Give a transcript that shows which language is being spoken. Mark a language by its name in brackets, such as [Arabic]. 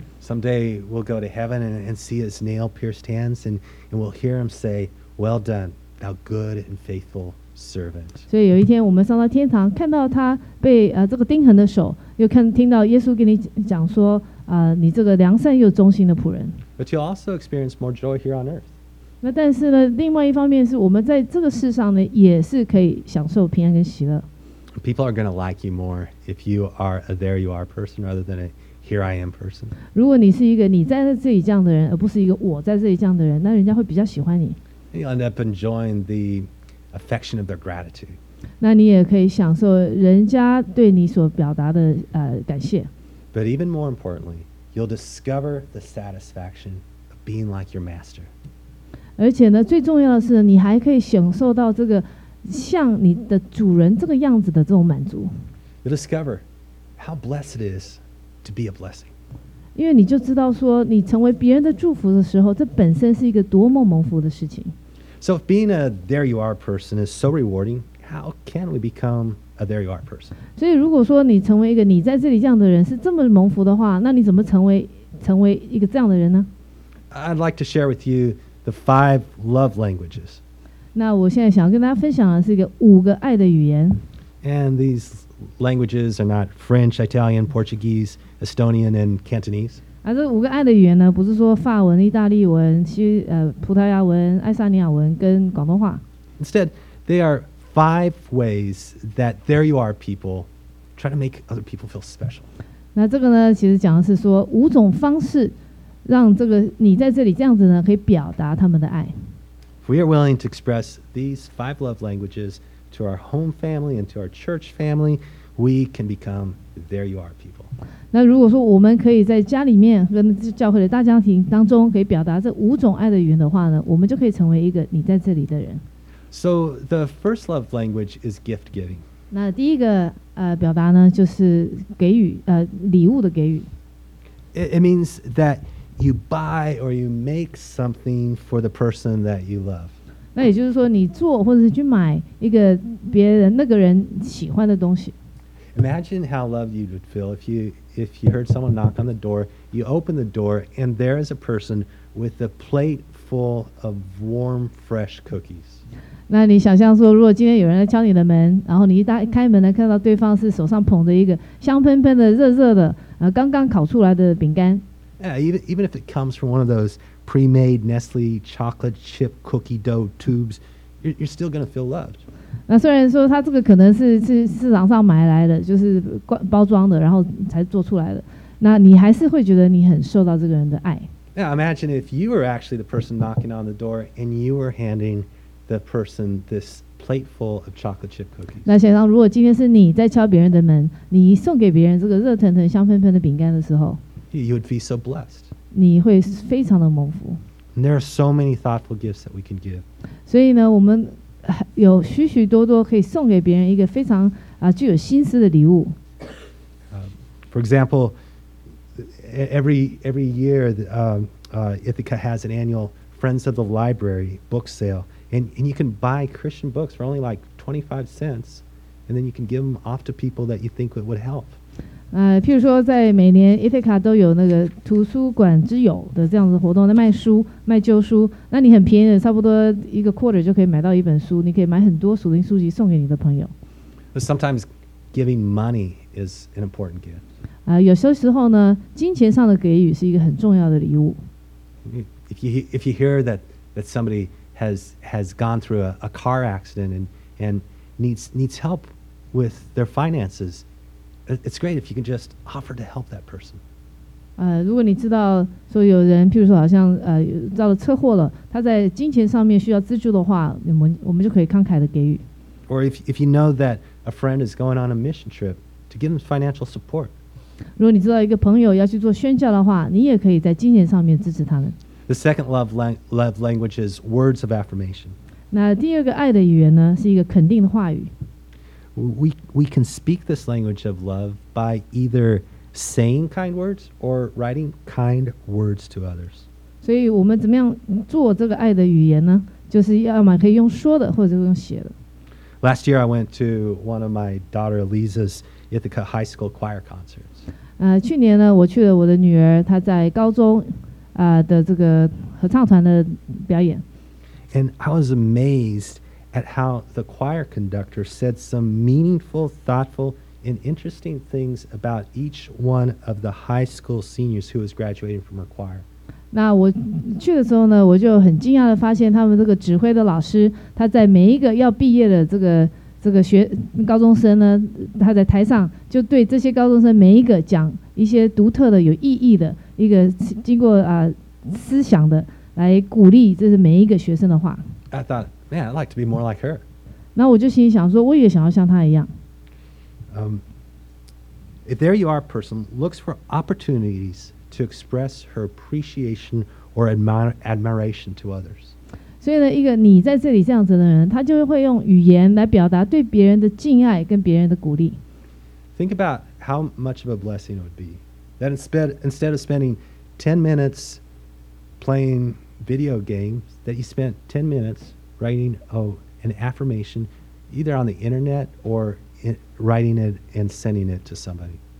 [English] Someday we'll go to heaven and see his nail-pierced hands, and we'll hear him say, "Well done, thou good and faithful servant." [Chinese] 所以有一天我们上到天堂，看到他被这个钉痕的手，又看听到耶稣跟你讲说，你这个良善又忠心的仆人。 [English] But you also experience more joy here on earth. [Chinese] 那但是呢，另外一方面是我们在这个世上呢，也是可以享受平安跟喜乐。 [English] People are going to like you more if you are a there you are person rather than a here I am person. [Chinese] 如果你是一个你在这里这样的人，而不是一个我在这里这样的人，那人家会比较喜欢你。 [English] You end up enjoying the affection of their gratitude. [Chinese] 那你也可以享受人家对你所表达的感谢。 [English] But even more importantly, you'll discover the satisfaction of being like your master. [Chinese] 而且呢，最重要的是，你还可以享受到这个像你的主人这个样子的这种满足。 [English] you'll discover how blessed it is to be a blessing. [Chinese] 因为你就知道说你成为别人的祝福的时候，这本身是一个多么蒙福的事情。 [English] So if being a there you are person is so rewarding, how can we become a there you are person? [Chinese] 所以如果说你成为一个你在这里这样的人是这么蒙福的话，那你怎么成为一个这样的人呢？ [English] I'd like to share with you the five love languages. [Chinese] 那我现在想要跟大家分享的是一个五个爱的语言。 [English] And these languages are not French, Italian, Portuguese, Estonian, and Cantonese. [Chinese] 啊、这五个爱的语言呢不是说法文、意大利文、葡萄牙文、爱沙尼亚文跟广东话。 [English] Instead, they are five ways that there you are people try to make other people feel special. [Chinese] 那这个呢其实讲的是说五种方式让这个你在这里这样子呢可以表达他们的爱。 [English] If we are willing to express these five love languages to our home family and to our church family, we can become there you are people. [Chinese] 那如果说我们可以在家里面跟教会的大家庭当中可以表达这五种爱的语言的话呢，我们就可以成为一个你在这里的人。 [English] So the first love language is gift giving. [Chinese] 那第一个表达呢就是给予礼物的给予。 [English] It means that you buy or you make something for the person that you love. [Chinese] 那也就是说你做或者是去买一个别人那个人喜欢的东西。 [English] Imagine how loved you would feel if you heard someone knock on the door, you open the door, and there is a person with a plate full of warm, fresh cookies. [Chinese] 那你想象说，如果今天有人来敲你的门，然后你一打开门呢，看到对方是手上捧着一个香喷喷的、热热的、刚刚烤出来的饼干。 [English] Yeah, even if it comes from one of those pre-made Nestle chocolate chip cookie dough tubes, you're still going to feel loved. [Chinese] 那虽然说它这个可能是市场上买来的，就是包装的，然后才做出来的，那你还是会觉得你很受到这个人的爱。 [English] Now imagine if you were actually the person knocking on the door and you were handing the person this plateful of chocolate chip cookies. [Chinese] 那想象如果今天是你在敲别人的门，你送给别人这个热腾腾、香喷喷的饼干的时候 [English] ，You would be so blessed. [Chinese] 你会非常的蒙福。 [English] And there are so many thoughtful gifts that we can give. [Chinese] 所以呢，我们。有许许多多可以送给别人一个非常具有心思的礼物。 [English] For example, every year, Ithaca has an annual Friends of the Library book sale, and you can buy Christian books for only like 25 cents, and then you can give them off to people that you think would help. [Chinese] 譬如说，在每年 Ithaca 都有那个图书馆之友的这样子活动，在卖书、卖旧书。那你很便宜的，差不多一个 quarter 就可以买到一本书，你可以买很多属灵书籍送给你的朋友。 [English] But sometimes giving money is an important gift. [Chinese] 有些时候呢，金钱上的给予是一个很重要的礼物。 [English] If you hear that somebody has gone through a car accident and needs help with their finances. It's great if you can just offer to help that person. [Chinese] 如果你知道说有人，譬如说好像遭了车祸了，他在金钱上面需要资助的话，我们就可以慷慨的给予。 [English] Or if you know that a friend is going on a mission trip, to give them financial support. [Chinese] 如果你知道一个朋友要去做宣教的话，你也可以在金钱上面支持他们。 [English] The second love language is words of affirmation. [Chinese] 那第二个爱的语言呢，是一个肯定的话语。 [English] We can speak this language of love by either saying kind words or writing kind words to others. [Chinese] 所以我们怎么样做这个爱的语言呢？就是要么可以用说的，或者是用写的。 [English] Last year, I went to one of my daughter Lisa's Ithaca High School choir concerts. [Chinese] 去年呢，我去了我的女儿她在高中的这个合唱团的表演。 [English] And I was amazed. At how the choir conductor said some meaningful, thoughtful, and interesting things about each one of the high school seniors who was graduating from her choir. [Chinese] 那我去的时候呢，我就很惊讶的发现，他们这个指挥的老师，他在每一个要毕业的这个学高中生呢，他在台上就对这些高中生每一个讲一些独特的、有意义的一个经过思想的来鼓励，这是每一个学生的话。 [English] Man, I'd like to be more like her. [Chinese] 那我就心里想说，我也想要像她一样。 [English] If there you are, person looks for opportunities to express her appreciation or admiration to others. [Chinese] 所以呢，一个你在这里这样子的人，他就会用语言来表达对别人的敬爱跟别人的鼓励。 [English] Think about how much of a blessing it would be that instead of spending 10 minutes playing video games, that you spent 10 minutes writing an affirmation either on the internet or writing it and sending it to somebody.